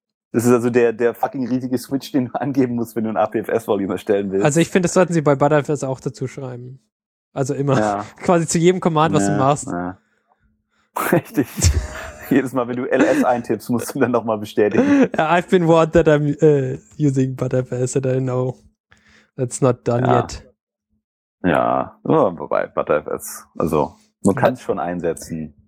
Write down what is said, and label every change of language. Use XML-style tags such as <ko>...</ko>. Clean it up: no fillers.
<de>Das ist also der fucking riesige Switch, den du angeben musst, wenn du ein APFS-Volume erstellen willst. Also ich finde, das sollten sie bei ButterFS auch dazu schreiben. Also immer. Ja. Quasi zu jedem Command, was du machst. Ja. Richtig. Jedes Mal, wenn du ls eintippst, musst du dann nochmal bestätigen.</de> <en>I've been warned that I'm using ButterFS and I know that's not done yet.</en> <de>Ja, wobei ButterFS, also man kann es schon einsetzen.</de>